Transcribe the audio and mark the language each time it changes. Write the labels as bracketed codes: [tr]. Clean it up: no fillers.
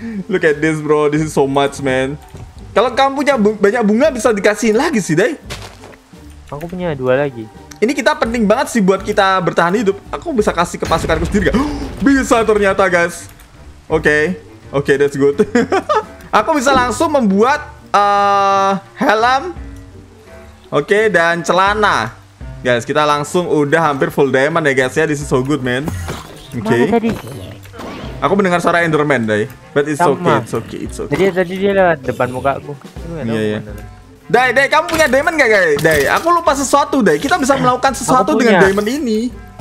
[en] Look at this, bro, this is so much, man. [id] Kalau kamu punya banyak bunga, bisa dikasihin lagi sih, Dai. Aku punya 2 lagi. Ini kita penting banget sih buat kita bertahan hidup. Aku bisa kasih ke pasukanku sendiri gak? Bisa ternyata, guys. [en] Okay, that's good. [id] Aku bisa langsung membuat helm. Okay, dan celana. Guys, kita langsung udah hampir full diamond ya, guys. Ya, [en] this is so good, man. [id] Okay. Mana tadi? Aku mendengar suara Enderman, Dai. [en] But it's okay. [id] Tadi dia lewat depan muka aku. Iya. Dai, kamu punya diamond gak, guys? Dai, aku lupa sesuatu, Dai. Kita bisa melakukan sesuatu dengan diamond ini.